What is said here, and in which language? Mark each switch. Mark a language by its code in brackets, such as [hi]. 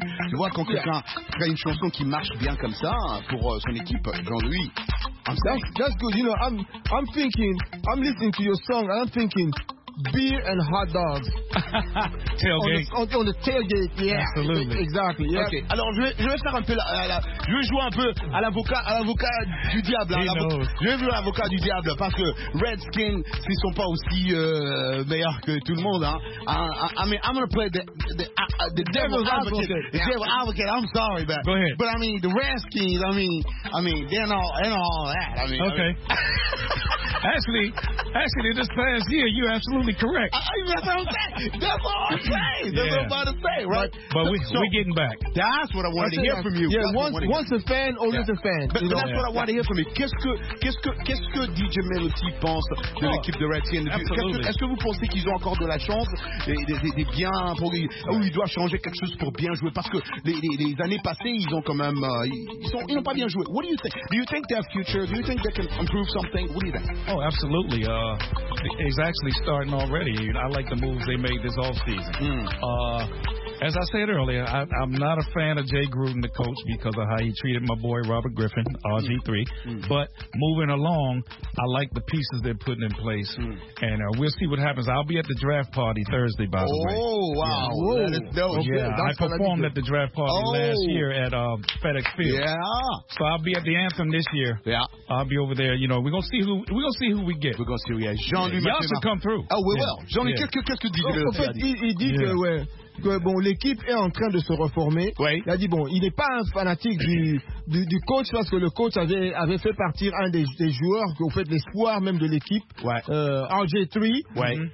[fr] Tu vois, quand quelqu'un crée une chanson qui marche bien comme ça pour son équipe, Jean-Louis. [en] That's good. You know, I'm thinking, I'm listening to your song, and I'm thinking beer and hot dogs. Tailgate. On the tailgate, yeah. Absolutely. Exactly, yeah. Okay. [fr] Alors, je vais faire un peu, je vais jouer un peu à l'avocat du diable. Je vais jouer à l'avocat du diable, parce que Redskin, ils sont pas aussi meilleurs que tout le monde, hein. [en] I'm going to play the devil's advocate. Yeah. The devil advocate, I'm sorry, man. Go ahead. But I mean, the Redskins, I mean, they're all that. Okay. Actually, this past year, you're absolutely correct. That's all I'm saying. Yeah. That's what I'm about to say, right? But we're getting back. That's what I wanted to hear from you. Yeah, once a fan, always a fan. But that's what I wanted to hear from you. [fr] Qu'est-ce que DJ Melody pense de l'équipe de Redskins? Est-ce que vous pensez qu'ils ont encore de la chance des biens pour lui? Ou ils doivent changer quelque chose pour bien jouer? Parce que les années passées, ils ont quand même... ils n'ont pas bien joué. [en] What do you think? Do you think they have future? Do you think they can improve something? What do you think? Oh, absolutely. It's actually starting already. I like the moves they made this offseason. Mm. As I said earlier, I'm not a fan of Jay Gruden, the coach, because of how he treated my boy Robert Griffin, RG3. Mm. But moving along, I like the pieces they're putting in place. Mm. And we'll see what happens. I'll be at the draft party Thursday, by the way. Oh, wow. Yeah. That is dope. Yeah, I performed at the draft party last year at FedEx Field. Yeah. So I'll be at the Anthem this year. Yeah. I'll be over there. You know, we're going to see who we get. We're going to see who we get. Jean-Louis. Y'all should come through. Oh, we will. [fr] Jean-Louis, qu'est-ce que tu dis? En fait, il dit que bon, l'équipe est en train de se reformer. Oui. Il a dit bon, il n'est pas un fanatique du coach, parce que le coach avait fait partir un des joueurs qui ont fait l'espoir même de l'équipe. Ouais. RG3. Ouais.